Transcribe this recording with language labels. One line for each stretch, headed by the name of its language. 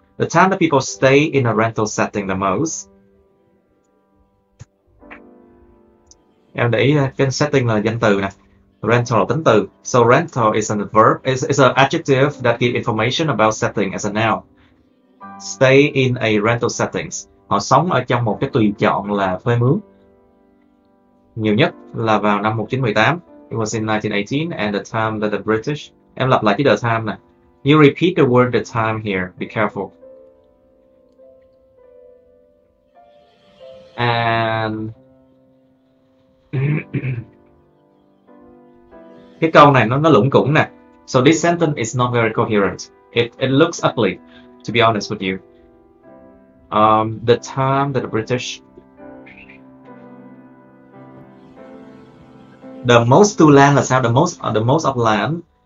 English: The time that people stay in a rental setting the most.
Vietnamese: Em để ý cái setting là danh từ nè. Rental là tính từ.
English: So rental is an verb, is an adjective that give information about setting as a noun. Stay in a rental settings.
Vietnamese: Họ sống ở trong một cái tùy chọn là thuê mướn. Nhiều nhất là vào năm 1918.
English: It was in 1918 and the time that the British.
Vietnamese: Em lặp lại cái the time nè.
English: You repeat the word the time here. Be careful.
Vietnamese: And cái câu này nó lủng củng nè.
English: So this sentence is not very coherent. It looks ugly, to be honest with you. The time that the British. The most to land
Vietnamese: là sao?
English: The most of land.